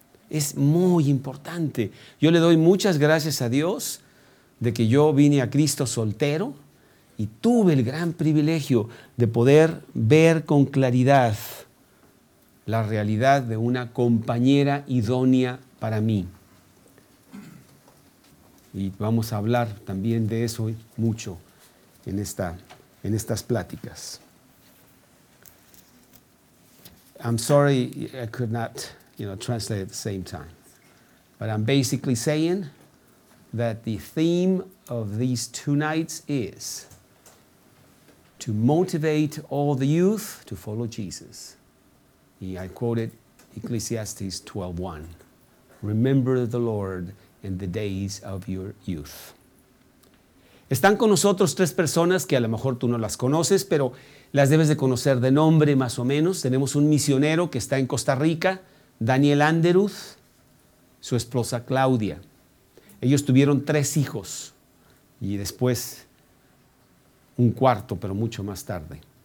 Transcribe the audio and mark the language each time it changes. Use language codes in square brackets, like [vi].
[es] Es muy importante. Yo le doy muchas gracias a Dios de que yo vine a Cristo soltero y tuve el gran privilegio de poder ver con claridad la realidad de una compañera idónea para mí. Y vamos a hablar también de eso hoy mucho en estas pláticas. [en] I'm sorry, I could not translate at the same time. But I'm basically saying that the theme of these two nights is to motivate all the youth to follow Jesus. Y I quoted Ecclesiastes 12:1. Remember the Lord in the days of your youth. [es] Están con nosotros tres personas que a lo mejor tú no las conoces, pero las debes de conocer de nombre más o menos. Tenemos un misionero que está en Costa Rica, Daniel Anderuth, su esposa Claudia. Ellos tuvieron tres hijos y después un cuarto, pero mucho más tarde.